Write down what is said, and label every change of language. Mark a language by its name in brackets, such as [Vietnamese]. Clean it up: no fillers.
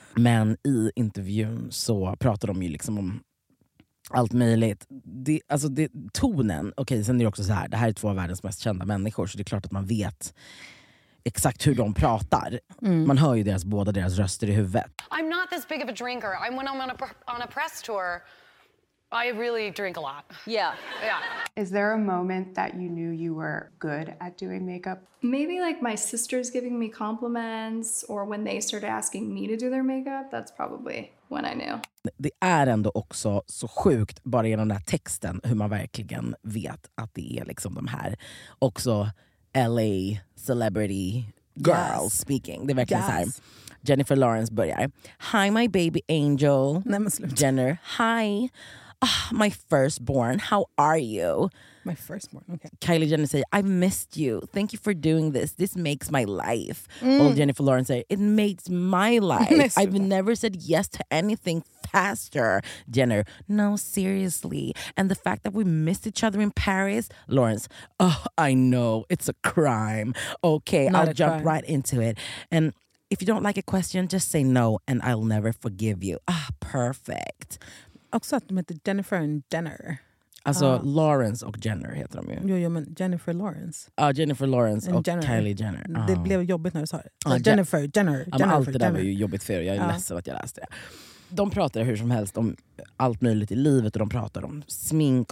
[Swedish] Men i intervjun så pratar de ju liksom om allt möjligt. Det, alltså det, tonen, okej, sen är det också så här. Det här är två av världens mest kända människor, så det är klart att man vet exakt hur de pratar. Mm. Man hör ju deras, båda deras röster i huvudet. [English] I'm not this big of a drinker. I'm when I'm on a press tour, I really drink a lot. Yeah. Yeah. Is there a moment that you knew you were good at doing makeup? Maybe like my sisters giving me compliments or when they started asking me to do their makeup, that's probably when I knew. [Swedish] Det är ändå också så sjukt bara genom den här texten hur man verkligen vet att det är liksom de här också [English] LA celebrity girl, yes. Speaking. [Swedish] Det är verkligen, yes. Så här. Jennifer Lawrence börjar. [English] Hi my baby angel. [Swedish] Nej, men slut. [English] Jenner. Hi. Oh, my firstborn. How are you? My firstborn. Okay. [Swedish] Kylie Jenner säger, [English] I missed you. Thank you for doing this. This makes my life. Mm. [Swedish] Och Jennifer Lawrence säger, [English] it makes my life. I've never said yes to anything faster. Jenner, no, seriously. And the fact that we missed each other in Paris. Lawrence, oh, I know. It's a crime. Okay, not I'll jump crime. Right into it. And if you don't like a question, just say no and I'll never forgive you. Ah, oh, perfect. [Swedish] Också att med Jennifer och Jenner. Alltså Lawrence och Jenner heter de ju. Jo, men Jennifer Lawrence. Ja, Jennifer Lawrence och Jenner. Kylie Jenner. Det blev jobbigt när du sa det. Jennifer, Jenner, ja, Jennifer. Allt det där Jenner. Var ju jobbigt för er. Jag är ledsen att jag läste det. De pratar hur som helst om allt möjligt i livet. Och de pratar om smink.